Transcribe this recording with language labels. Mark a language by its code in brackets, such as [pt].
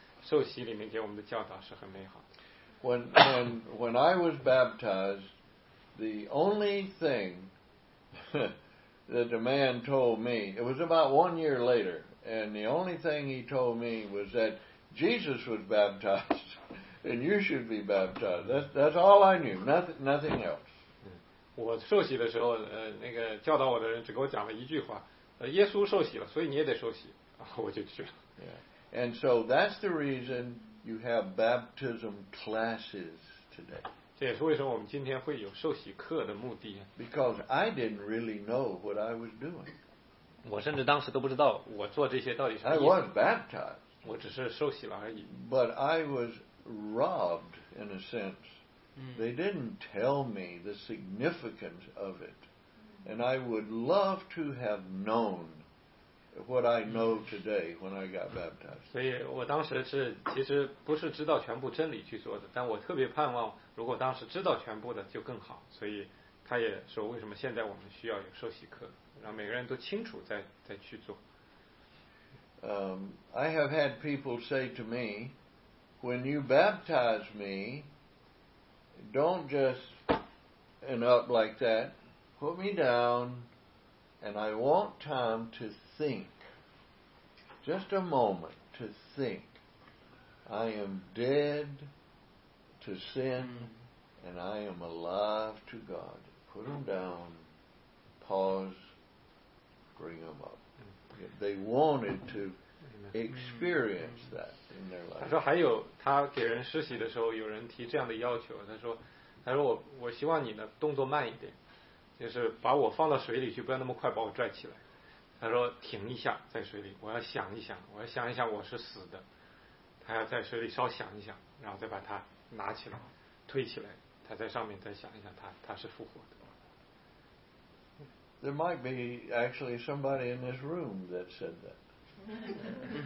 [zh] 受洗里面给我们的教导是很美好的。 [en] When I was baptized, the only thing that the man told me, it was about 1 year later, and the only thing he told me was that Jesus was baptized, and you should be baptized. That's all I knew, nothing else. [zh] 我受洗的时候，那个教导我的人只给我讲了一句话，耶稣受洗了，所以你也得受洗，我就去了。 [en] Yeah. And so that's the reason you have baptism classes today. [zh] 这也是为什么我们今天会有受洗课的目的。 [en] Because I didn't really know what I was doing. [zh] 我甚至当时都不知道我做这些到底是。 [en] I was baptized. [zh] 我只是受洗了而已。 [en] But I was robbed in a sense. They didn't tell me the significance of it. And I would love to have known what I know today when I got baptized. [zh] 所以我当时是其实不是知道全部真理去做的，但我特别盼望如果当时知道全部的就更好。所以他也说为什么现在我们需要有受洗课，让每个人都清楚再去做。 [en] I have had people say to me, when you baptize me, don't just end up like that. Put me down, and I want time to think. Just a moment to think. I am dead to sin, and I am alive to God. Put them down, pause, bring them up. They wanted to experience that in their life. [zh] 他说还有他给人实习的时候有人提这样的要求，他说我希望你的动作慢一点，就是把我放到水里去，不要那么快把我拽起来。他说停一下在水里，我要想一想我是死的，他要在水里稍想一想，然后再把他拿起来推起来，他在上面再想一想他是复活的。 [en] There might be actually somebody in this room that said that.